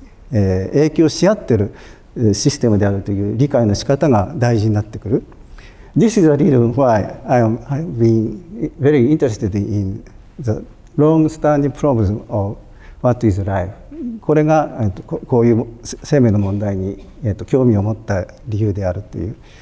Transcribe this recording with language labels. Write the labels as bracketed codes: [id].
[ja] 影響し合っているシステムであるという理解の仕方が大事になってくる。 [en] This is a reason why I've been very interested in the long-standing problem of what is life. [ja] これが こういう生命の問題に、興味を持った理由であるという。